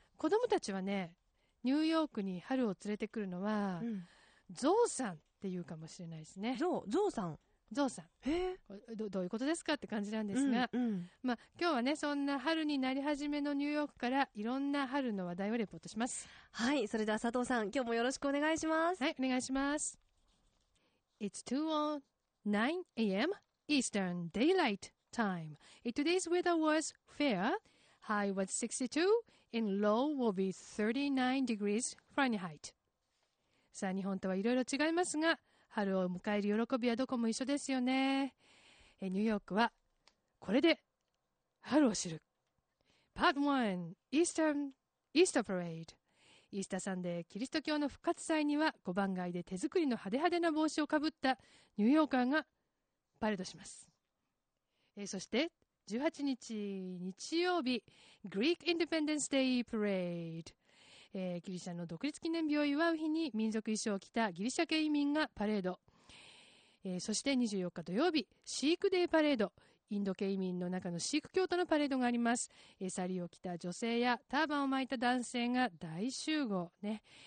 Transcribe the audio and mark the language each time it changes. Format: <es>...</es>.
<ja>子供たちはね、ニューヨークに春を連れてくるのは、ゾウさん。っていうかもしれないですね。ゾウさん、どういうことですかって感じなんですが、うんうん、まあ、今日はね、そんな春になり始めのニューヨークからいろんな春の話題をレポートします。はい、それでは佐藤さん、今日もよろしくお願いします。はい、お願いします。</ja> <en>It's 2:09 AM Eastern Daylight Time. Today's weather was fair. High was 62 and low will be 39 degrees Fahrenheit.</en> <ja>さあ、日本とはいろいろ違いますが、春を迎える喜びはどこも一緒ですよね。ニューヨークはこれで春を知る。</ja> <en>Part 1 Easter Parade。</en> <ja>イースターサンデー、キリスト教の復活祭には、5番街で手作りの派手派手な帽子をかぶったニューヨーカーがパレードします。そして18日日曜日、 Greek Independence Day Parade。ギリシャの独立記念日を祝う日に民族衣装を着たギリシャ系移民がパレード、そして24日土曜日、シークデーパレード。インド系移民の中のシーク教徒のパレードがあります。サリーを着た女性やターバンを巻いた男性が大集合ね。</ja>